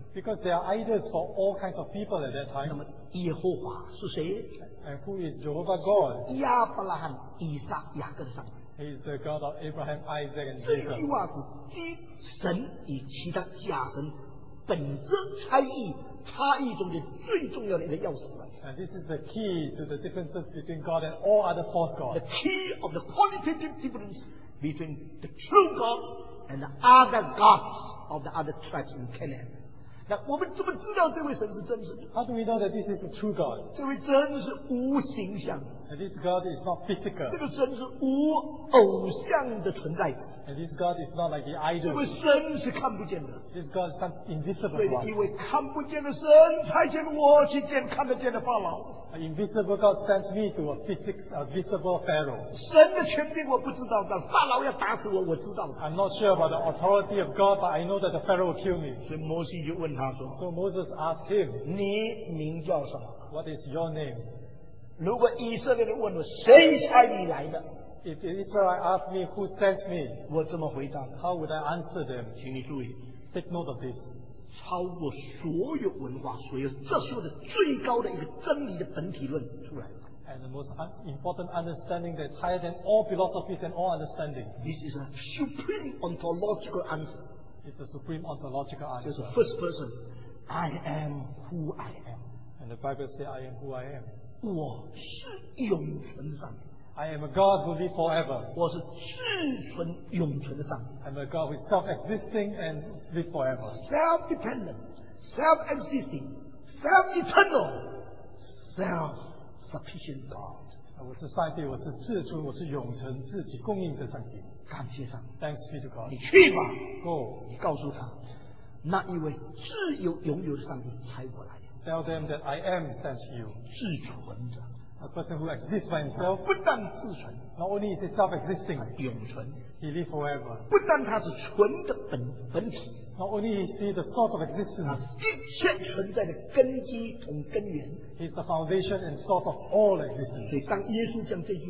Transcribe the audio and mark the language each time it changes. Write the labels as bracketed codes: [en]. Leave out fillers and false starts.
[en] Because there are idols for all kinds of people at that time. [zh] 那么耶和华是谁？ [en] And who is Jehovah God? [zh] 亚伯拉罕、以撒、雅各的上帝。 [en] He is the God of Abraham, Isaac, and Jacob. [zh] 这句话是基神与其他假神本质差异差异中的最重要的一个钥匙。 [en] And this is the key to the differences between God and all other false gods. The key of the qualitative difference between the true God and the other gods of the other tribes in Canaan. [zh] 那我们怎么知道这位神是真实的 [en] ？How do we know that this is a true God？ [zh] 这位真是无形象。 [en] And this God is not physical。 [zh] 这个神是无偶像的存在。 [en] And this God is not like the idol。 [zh] 这位神是看不见的。 [en] This God is an invisible God。 [zh] 对，因为看不见的神差遣我去见看得见的法老。 [en] An invisible God sent me to a physical, a visible Pharaoh. [zh] 神的权柄我不知道，但法老要打死我，我知道。 [en] I'm not sure about the authority of God, but I know that the Pharaoh will kill me. [zh] 所以摩西就问他说。 [en] So Moses asked him, [zh] 你名叫什么 [en] ？What is your name? [zh] 如果以色列人问我谁差你来的 [en] ？If Israel asked me who sent me, [zh] 我怎么回答 [en] ？How would I answer them? [zh] 请你注意 [en] ，take note of this. [zh] 超过所有文化所有哲学的最高的一个真理的本体论出来了 [en] And the most important understanding that is higher than all philosophies and all understandings This is a supreme ontological answer It's a supreme ontological answer It's the first person I am who I am And the Bible says I am who I am [zh] 我是永存的上帝 [en] I am a God who lives forever [zh] 我是至存永存的上帝 [en] I'm a God who is self-existing and live forever. Self-dependent, self-existing, self-eternal, self-sufficient God. [zh] 我是上帝，我是至尊，我是永存自己供应的上帝。感谢上帝。 [en] Thanks be to God. [zh] 你去吧。 [en] Go. [zh] 你告诉他，那一位自由拥有的上帝差我来。 [en] Tell them that I am sent to you. [zh] 至存者。 [en] A person who exists by himself. [zh] 不但自存。 [en] Not only is he self-existing. [zh] 永存。 [en] He live forever. [zh] 不但他是纯的本体 [en] Not only is he the source of existence, he's the foundation and source of all existence.